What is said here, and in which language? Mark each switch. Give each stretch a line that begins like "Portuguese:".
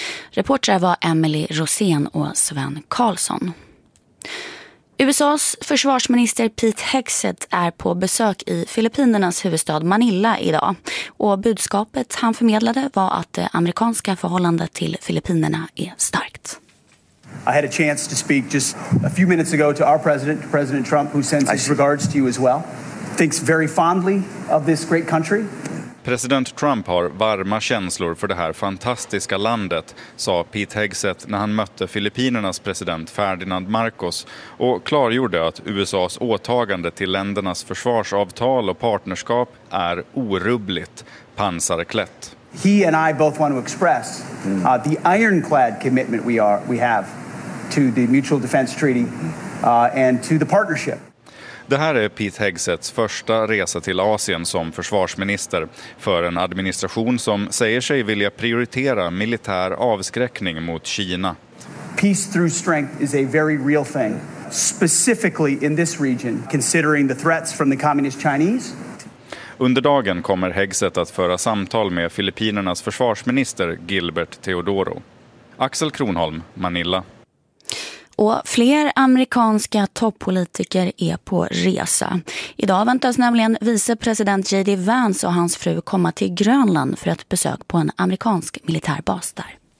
Swedish: Reportrar var Emily Rosén och Sven Karlsson. USAs försvarsminister Pete Hegseth är på besök i Filippinernas huvudstad Manila idag. Och budskapet han förmedlade var att det amerikanska förhållandet till Filippinerna är starkt.
English: I had a chance to speak just a few minutes ago to our president, President Trump, who sends his regards to you as well. Thinks very fondly of this great country.
Swedish: President Trump har varma känslor för det här fantastiska landet, sa Pete Hegseth när han mötte Filippinernas president Ferdinand Marcos och klargjorde att USAs åtagande till ländernas försvarsavtal och partnerskap är orubbligt, pansarklätt.
English: He and I both want to express the ironclad commitment we have to the mutual defense treaty and to the partnership.
Swedish: Det här är Pete Hegseths första resa till Asien som försvarsminister för en administration som säger sig vilja prioritera militär avskräckning mot Kina.
English: Peace through strength is a very real thing, specifically in this region, considering the threats from the communist Chinese.
Swedish: Under dagen kommer Hegseth att föra samtal med Filippinernas försvarsminister Gilbert Teodoro. Axel Kronholm, Manila. Och fler amerikanska toppolitiker är på resa. Idag väntas nämligen vicepresident J.D. Vance och hans fru komma till Grönland för ett besök på en amerikansk militärbas där.